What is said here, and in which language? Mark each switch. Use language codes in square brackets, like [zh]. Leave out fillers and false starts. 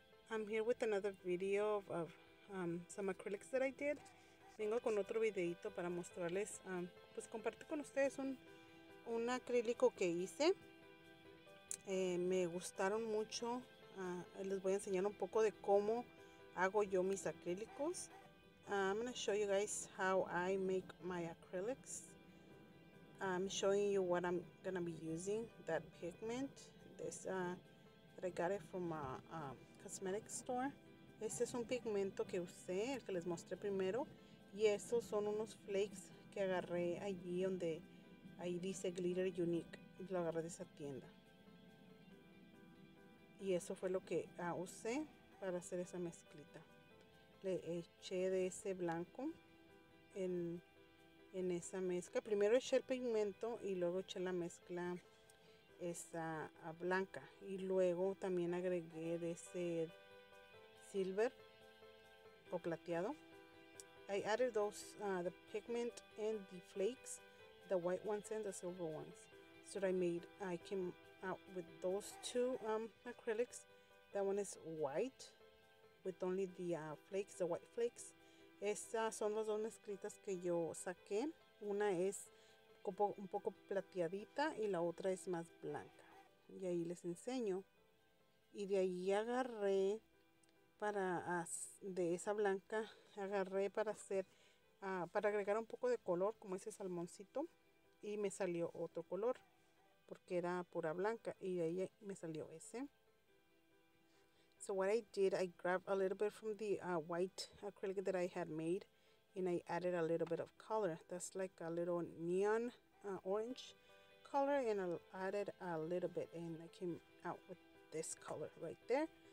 [en] I'm here with another video of some acrylics that I did. [es] Vengo con otro videito para mostrarles, pues compartir con ustedes un acrílico que hice. Me gustaron mucho. Les voy a enseñar un poco de cómo hago yo mis acrílicos. [en] I'm going to show you guys how I make my acrylics. I'm showing you what I'm going to be using, that pigment, that I got it from a cosmetic store. [es] Este es un pigmento que usé, el que les mostré primero, y estos son unos flakes que agarré allí donde, ahí dice Glitter Unique, lo agarré de esa tienda. Y eso fue lo que usé para hacer esa mezclita. Le eché de ese blanco en esa mezcla. Primero eché el pigmento y luego eché la mezcla esa blanca. Y luego también agregué de ese silver o plateado. [en] I added those, the pigment and the flakes, the white ones and the silver ones. So that I came out with those two acrylics. That one is white with only the flakes, the white flakes. [es] Estas son las dos mezclitas que yo saqué. Una es un poco plateadita y la otra es más blanca. Y ahí les enseño. Y de ahí agarré para de esa blanca, agarré para hacer, para agregar un poco de color, como ese salmoncito. Y me salió otro color, porque era pura blanca. Y de ahí me salió ese. [en] So what I did, I grabbed a little bit from the white acrylic that I had made, and I added a little bit of color. That's like a little neon orange color, and I added a little bit, and I came out with this color right there.